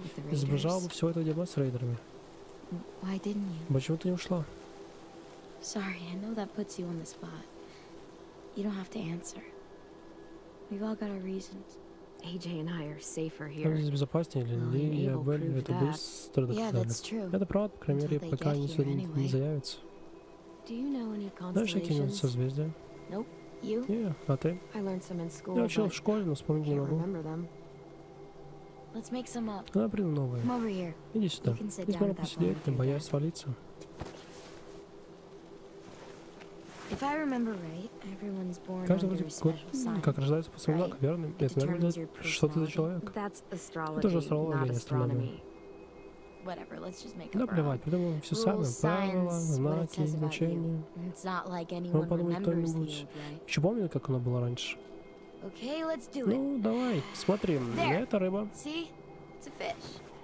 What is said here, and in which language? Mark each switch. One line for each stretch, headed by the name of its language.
Russian: Избежал бы всего этого дела с рейдерами.
English: Why didn't you?
Russian: Почему ты не ушла?
English: Sorry, I know that puts you on the spot. You don't have to answer. We've all got our reasons. AJ and I are safer here.
Russian: Здесь безопаснее, Лили и Абель, это быстро доказали. Это правда, по крайней мере, пока они сюда не заявятся.
English: Do you know any constellations?
Russian: Знаешь, какие созвездия?
English: Nope. You?
Russian: Yeah, а ты?
English: I learned some in school.
Russian: Я учил в школе, но вспомнить не могу.
English: Let's make some up.
Russian: Да, придумай новые.
English: Come over here.
Russian: Иди сюда. Ты можешь посидеть, не боясь свалиться.
English: If I remember right, everyone's born under a special sign.
Russian: Как рождается по своему знаку, верно? Это верно? Что ты за человек? Это же астрология, астрономия.
English: Whatever, let's just make up.
Russian: Да плевать, придумаем все сами. Правила, знаки, значения.
English: It's not like anyone remembers the old way.
Russian: Еще помню, как она была раньше.
English: Okay, let's do it.
Russian: Ну, давай, смотри.
English: There.
Russian: Это рыба.
English: See? It's a fish.